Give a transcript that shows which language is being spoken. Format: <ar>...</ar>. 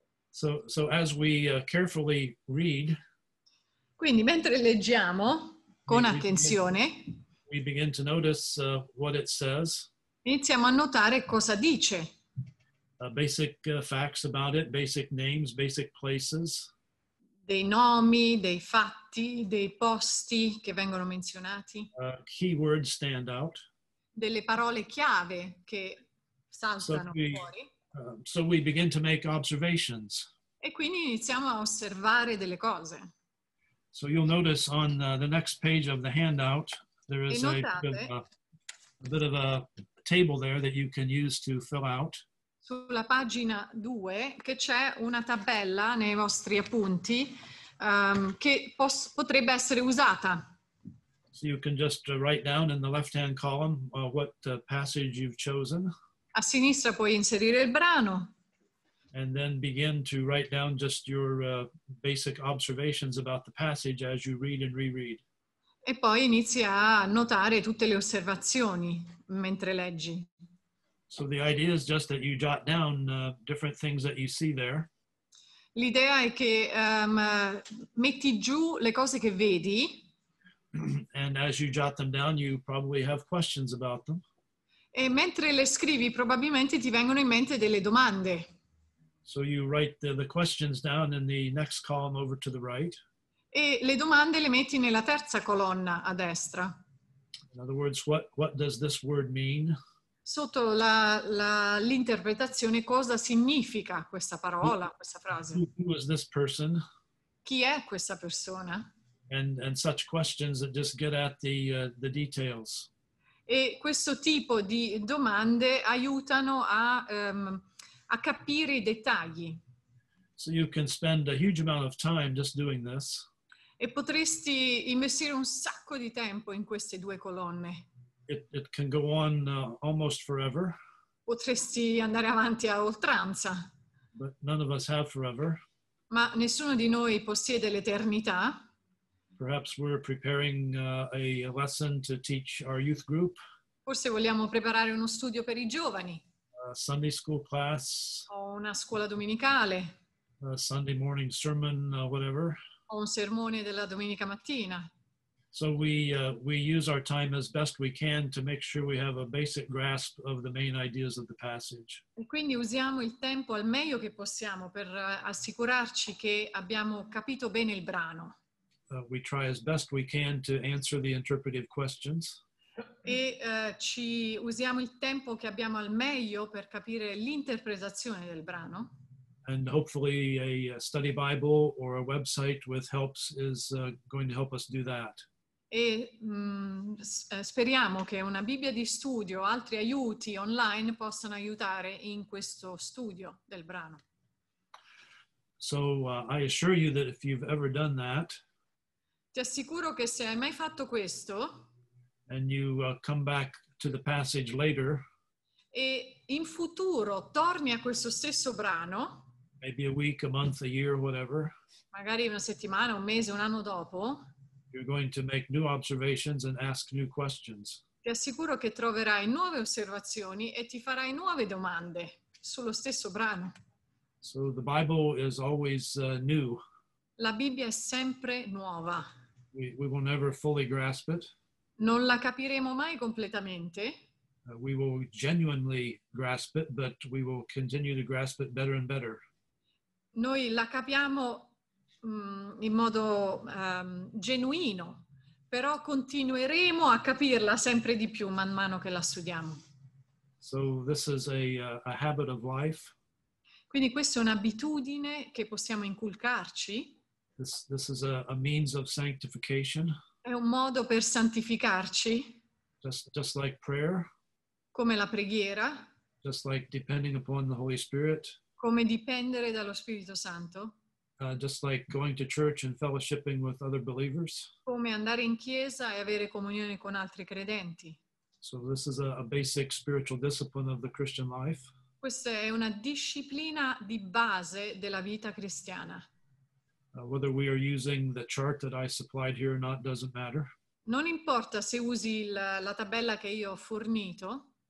<en>So as we carefully read.</en> <it>Quindi mentre leggiamo con attenzione.</it> <en>We begin to notice what it says.</en> <it>Iniziamo a notare cosa dice.</it> <en>Basic facts about it, basic names, basic places.</en> <it>Dei nomi, dei fatti, dei posti che vengono menzionati.</it> <en>Key words stand out.</en> <it>Delle parole chiave che saltano fuori.</it> <en>So we begin to make observations.</en> <it>E quindi iniziamo a osservare delle cose.</it> <en>So you'll notice on the next page of the handout, there is a bit of a table there that you can use to fill out.</en> <it>Sulla pagina 2 che c'è una tabella nei vostri appunti che potrebbe essere usata.</it> <en>So you can just write down in the left-hand column what passage you've chosen.</en> <it>A sinistra puoi inserire il brano.</it> <en>And then begin to write down just your basic observations about the passage as you read and reread.</en> <it>E poi inizi a notare tutte le osservazioni mentre leggi.</it> <en>So the idea is just that you jot down different things that you see there.</en> <it>L'idea è che metti giù le cose che vedi.</it> <en>And as you jot them down, you probably have questions about them.</en> <it>E mentre le scrivi, probabilmente ti vengono in mente delle domande.</it> <en>So you write the questions down in the next column over to the right.</en> <it>E le domande le metti nella terza colonna a destra.</it> <en>In other words, what does this word mean?</en> <it>Sotto l'interpretazione, cosa significa questa parola, questa frase?</it> <en>Who is this person?</en> <it>Chi è questa persona?</it> <en>And such questions that just get at the details.</en> <it>E questo tipo di domande aiutano a capire i dettagli.</it> <en>So you can spend a huge amount of time just doing this.</en> <it>E potresti investire un sacco di tempo in queste due colonne.</it> <en>it can go on almost forever.</en> <it>Potresti andare avanti a oltranza.</it> <en>But none of us have forever.</en> <it>Ma nessuno di noi possiede l'eternità.</it> <en>Perhaps we're preparing a lesson to teach our youth group.</en> <it>Forse vogliamo preparare uno studio per i giovani.</it> <en>Sunday school class.</en> <it>O una scuola domenicale.</it> <en>A Sunday morning sermon, whatever.</en> <it>O un sermone della domenica mattina.</it> <en>So we use our time as best we can to make sure we have a basic grasp of the main ideas of the passage.</en> <it>E quindi usiamo il tempo al meglio che possiamo per assicurarci che abbiamo capito bene il brano.</it> <en>We try as best we can to answer the interpretive questions.</en> <it>Ci usiamo il tempo che abbiamo al meglio per capire l'interpretazione del brano.</it> <en>And hopefully a study Bible or a website with helps is going to help us do that.</en> <it>E speriamo che una Bibbia di studio, altri aiuti online possano aiutare in questo studio del brano.</it> <en>So I assure you that if you've ever done that,</en> <it>ti assicuro che se hai mai fatto questo,</it> <en>and you come back to the passage later,</en> <it>e in futuro torni a questo stesso brano,</it> <en>maybe a week, a month, a year, whatever,</en> <it>magari una settimana, un mese, un anno dopo,</it> <en>you're going to make new observations and ask new questions.</en> <it>Ti assicuro che troverai nuove osservazioni e ti farai nuove domande sullo stesso brano.</it> <en>So the Bible is always new.</en> <it>La Bibbia è sempre nuova.</it> <en>We will never fully grasp it.</en> <it>Non la capiremo mai completamente.</it> <en>We will genuinely grasp it, but we will continue to grasp it better and better.</en> <it>Noi la capiamo in modo genuino, però continueremo a capirla sempre di più man mano che la studiamo.</it> <en>So this is a habit of life.</en> <it>Quindi questa è un'abitudine che possiamo inculcarci.</it> <en>This is a means of sanctification.</en> <it>È un modo per santificarci.</it> <en>Just like prayer.</en> <it>Come la preghiera.</it> <en>Just like depending upon the Holy Spirit.</en> <it>Come dipendere dallo Spirito Santo.</it> <en>Just like going to church and fellowshipping with other believers.</en> <it>Come andare in chiesa e avere comunione con altri credenti.</it> <en>So this is a basic spiritual discipline of the Christian life.</en> <it>Questa è una disciplina di base della vita cristiana.</it> <en>Whether we are using the chart that I supplied here or not doesn't matter.</en> <it>Non importa se usi la tabella che io ho fornito.</it>